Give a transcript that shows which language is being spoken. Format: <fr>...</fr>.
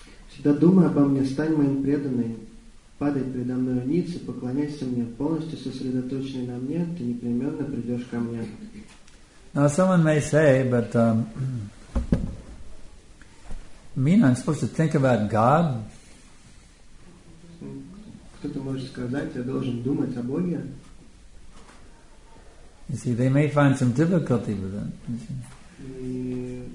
<ru>Всегда думай обо мне, стань моим преданным. Падай предо мной ниц и поклоняйся мне, полностью сосредоточенный на мне, ты непременно придешь ко мне.</ru> <en>Now someone may say, but mean I'm supposed to think about God?</en> <ru>Кто-то может сказать, я должен думать о Боге?</ru> <en>You see, they may find some difficulty with that. You see.</en>